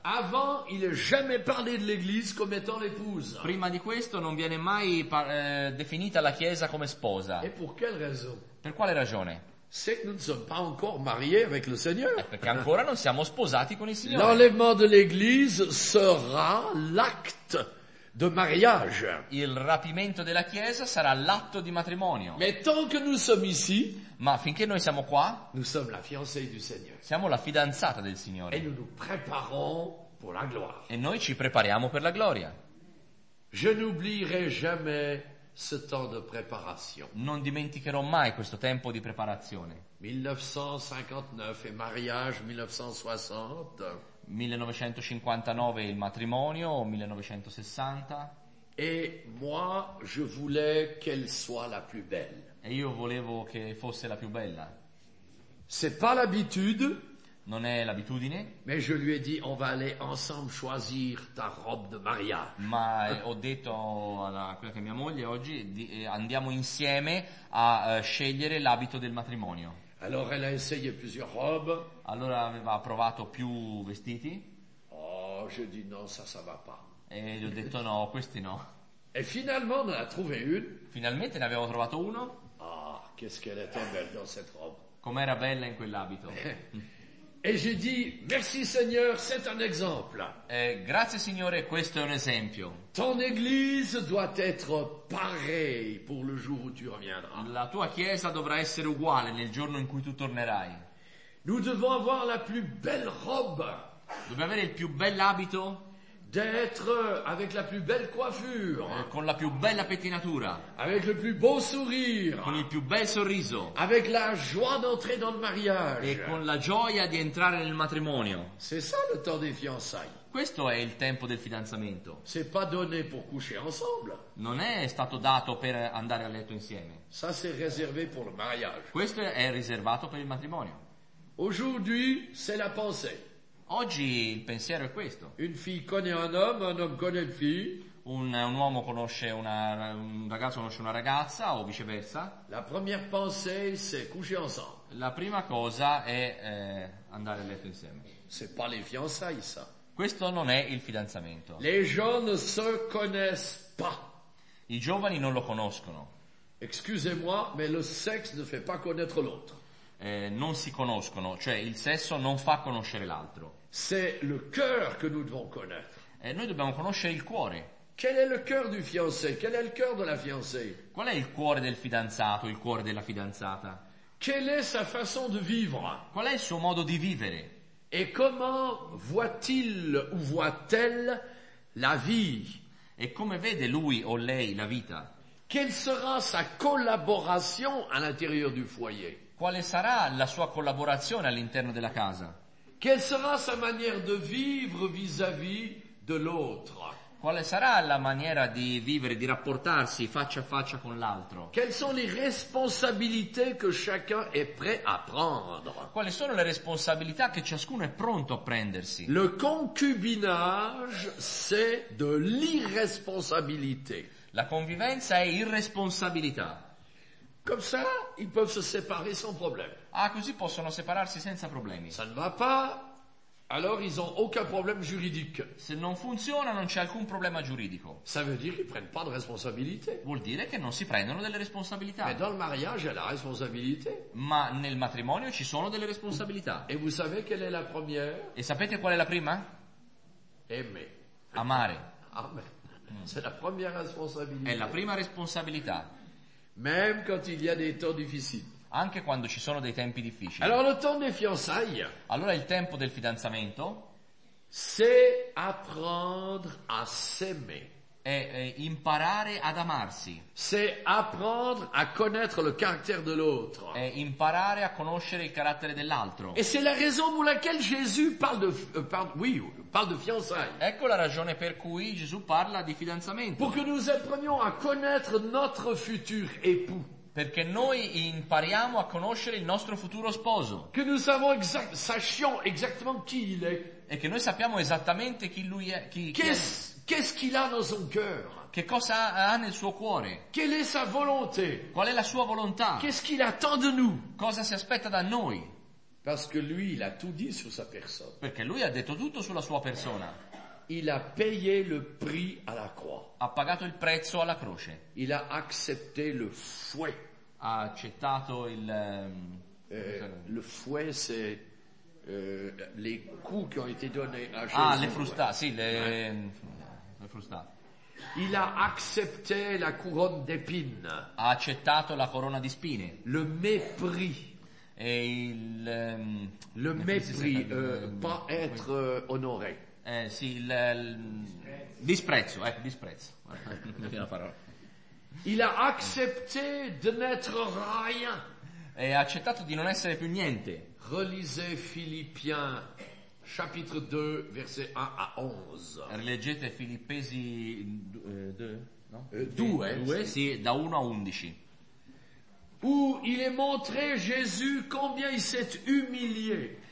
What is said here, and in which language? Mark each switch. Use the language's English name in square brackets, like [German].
[French] Avant, il n'est jamais parlé de l'Église comme étant l'épouse. [Italian] Prima di questo non viene mai definita la Chiesa come sposa. [French] Et pour quelle raison? [Italian] Per quale ragione? [French] C'est que nous ne sommes pas encore mariés avec le Seigneur. [Italian] Perché ancora non siamo sposati con il Signore. [French] L'enlèvement de l'Église sera l'acte de mariage. [Italian] Il rapimento della Chiesa sarà l'atto di matrimonio. [French] Mais tant que nous sommes ici, [Italian] ma finché noi siamo qua, [French] nous sommes la fiancée du Seigneur. [Italian] Siamo la fidanzata del Signore. [French] Et nous nous préparons pour la gloire. [Italian] E noi ci prepariamo per la gloria. [French] Je n'oublierai jamais ce temps de préparation. [Italian] Non dimenticherò mai questo tempo di preparazione. [French] 1959 et mariage 1960. [Italian] 1959 il matrimonio, 1960. [French] Et moi je voulais qu'elle soit la plus belle. [Italian] E io volevo che fosse la più bella. [French] C'est pas l'habitude. [Italian] Non è l'abitudine. [French] Mais je lui ai dit on va aller ensemble choisir ta robe de mariage. [Italian] Ma ho detto a quella che è mia moglie oggi andiamo insieme a scegliere l'abito del matrimonio. [French] Alors elle a essayé plusieurs robes. [Italian] Allora aveva provato più vestiti. [French] Oh, j'ai dit non, ça va pas. [Italian] E gli ho detto no, questi no. [French] Et finalement on a trouvé une. [Italian] Finalmente ne avevo trovato uno. [French] Ah, oh, qu'est-ce qu'elle était belle dans cette robe. [Italian] Com'era bella in quell'abito. [French] Et j'ai dit merci Seigneur, c'est un exemple. [Italian] Grazie Signore, questo è un esempio. [French] Ton église doit être pareille pour le jour où tu reviendras. [Italian] La tua chiesa dovrà essere uguale nel giorno in cui tu tornerai. [French] Nous devons avoir la plus belle robe. [Italian] Dobbiamo avere il più bell'abito. [French] D'être avec la plus belle coiffure. [Italian] Con la più bella pettinatura. [French] Avec le plus beau sourire. [Italian] Con il più bel sorriso. [French] Avec la joie d'entrer dans le mariage. [Italian] E con la gioia di entrare nel matrimonio. [French] C'est ça le temps des fiançailles. [Italian] Questo è il tempo del fidanzamento. [French] C'est pas donné pour coucher ensemble. [Italian] Non è stato dato per andare a letto insieme. [French] Ça c'est réservé pour le mariage. [Italian] Questo è riservato per il matrimonio. [French] Aujourd'hui, c'est la pensée. [Italian] Oggi il pensiero è questo. [French] Une fille connaît un homme connaît une fille. [Italian] Un uomo conosce un ragazzo conosce una ragazza o viceversa. [French] La première pensée c'est coucher ensemble. [Italian] La prima cosa è andare a letto insieme. [French] C'est pas les fiançailles ça. [Italian] Questo non è il fidanzamento. [French] Les gens ne se connaissent pas. [Italian] I giovani non lo conoscono. [French] Excusez-moi, mais le sexe ne fait pas connaître l'autre. [Italian] Non si conoscono, cioè il sesso non fa conoscere l'altro. [French] C'est le cœur que nous devons connaître. [Italian] Noi dobbiamo conoscere il cuore. [French] Quel est le cœur du fiancé? Quel est le cœur de la fiancée? [Italian] Qual è il cuore del fidanzato, il cuore della fidanzata? [French] Quelle est sa façon de vivre? [Italian] Qual è il suo modo di vivere? [French] Et comment voit-il ou voit-elle la vie? [Italian] E come vede lui o lei la vita? [French] Quelle sera sa collaboration à l'intérieur du foyer? [Italian] Quale sarà la sua collaborazione all'interno della casa? [French] Quelle sera sa manière de vivre vis-à-vis de l'autre? [Italian] Quale sarà la maniera di vivere, di rapportarsi faccia a faccia con l'altro? [French] Quelles sont les responsabilités que chacun est prêt à prendre? [Italian] Quali sono le responsabilità che ciascuno è pronto a prendersi? [French] Le concubinage, c'est de l'irresponsabilité. [Italian] La convivenza è irresponsabilità. [French] Comme ça, ils peuvent se séparer sans problème. [Italian] Ah, così possono separarsi senza problemi. [French] Ça ne va pas, alors ils ont aucun problème juridique. [Italian] Se non funziona, non c'è alcun problema giuridico. [French] Ça veut dire qu'ils prennent pas de responsabilité. [Italian] Vuol dire che non si prendono delle responsabilità. [French] Mais dans le mariage, il y a la responsabilité. [Italian] Ma nel matrimonio ci sono delle responsabilità. [French] Et vous savez quelle est la première? [Italian] E sapete qual è la prima? [French] Aimer. [Italian] Amare. Amen. [French] C'est la première responsabilité. [Italian] È la prima responsabilità. [French] Même quand il y a des temps difficiles. [Italian] Anche quando ci sono dei tempi difficili. [French] Alors, le temps des fiançailles. [Italian] Allora il tempo del fidanzamento. [French] C'est apprendre à s'aimer. [Italian] È imparare ad amarsi. [French] C'est apprendre à connaître le caractère de l'autre. [Italian] È imparare a conoscere il carattere dell'altro. [French] Et c'est la raison pour laquelle Jésus parle de fiançailles. [Italian] Ecco la ragione per cui Gesù parla di fidanzamento. [French] Pour que nous apprenions à connaître notre futur époux. [Italian] Perché noi impariamo a conoscere il nostro futuro sposo. [French] Que nous savons sachions exactement qui il est. [Italian] E che noi sappiamo esattamente chi lui è. [French] Qu'est-ce qu'il a dans son cœur? [Italian] Che cosa ha nel suo cuore? [French] Quelle est sa volonté? [Italian] Qual è la sua volontà? [French] Qu'est-ce qu'il attend de nous? [Italian] Cosa si aspetta da noi? [French] Parce que lui, il a tout dit sur sa personne. [Italian] Perché lui ha detto tutto sulla sua persona. [French] Il a payé le prix à la croix. [Italian] Ha pagato il prezzo alla croce. [French] Il a accepté le fouet. [Italian] Ha accettato il [French] le fouet, c'est les coups qui ont été donnés à Jésus. [Italian] Ah, [French] les frustas, [Italian] sì, le frustate. [French] Il a accepté la couronne d'épines. [Italian] Ha accettato la corona di spine. [French] Le mépris. [Italian] E il [French] le mépris, pas être honoré. [Italian] Sì, il disprezzo, ecco, disprezzo. La parola. [French] Il a accepté de n'être rien. [Italian] E ha accettato di non essere più niente. [French] Relisez Philippiens chapitre 2 verset 1 à 11. [Italian] Rileggete Filippesi 2, sì, da 1 a 11. [French] Où il est montré Jésus combien il s'est humilié.